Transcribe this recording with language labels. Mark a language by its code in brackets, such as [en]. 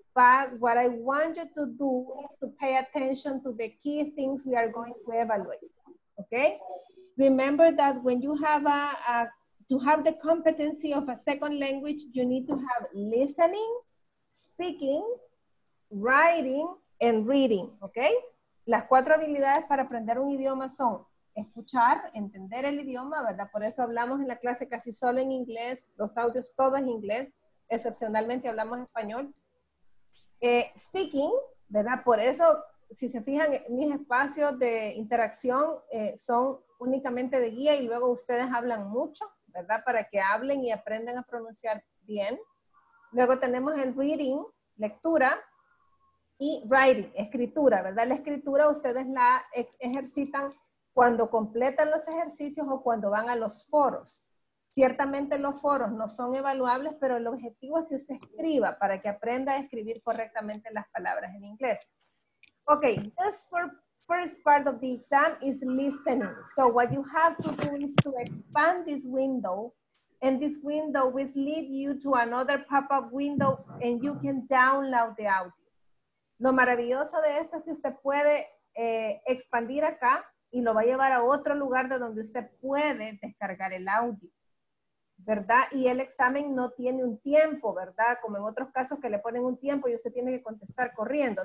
[en] But what I want you to do is to pay attention to the key things we are going to evaluate, okay? Remember that when you have to have the competency of a second language, you need to have listening, speaking, writing, and reading, okay? [es] Las cuatro habilidades para aprender un idioma son escuchar, entender el idioma, ¿verdad? Por eso hablamos en la clase casi solo en inglés, los audios todo es inglés, excepcionalmente hablamos español. Speaking, ¿verdad? Por eso, si se fijan, mis espacios de interacción son únicamente de guía y luego ustedes hablan mucho, ¿verdad? Para que hablen y aprendan a pronunciar bien. Luego tenemos el reading, lectura, y writing, escritura, ¿verdad? La escritura ustedes la ejercitan cuando completan los ejercicios o cuando van a los foros. Ciertamente los foros no son evaluables, pero el objetivo es que usted escriba para que aprenda a escribir correctamente las palabras en inglés. [en] Ok, just for first part of the exam is listening. So what you have to do is to expand this window, and this window will lead you to another pop-up window, and you can download the audio. [es] Lo maravilloso de esto es que usted puede expandir acá y lo va a llevar a otro lugar de donde usted puede descargar el audio, ¿verdad? Y el examen no tiene un tiempo, ¿verdad? Como en otros casos que le ponen un tiempo y usted tiene que contestar corriendo.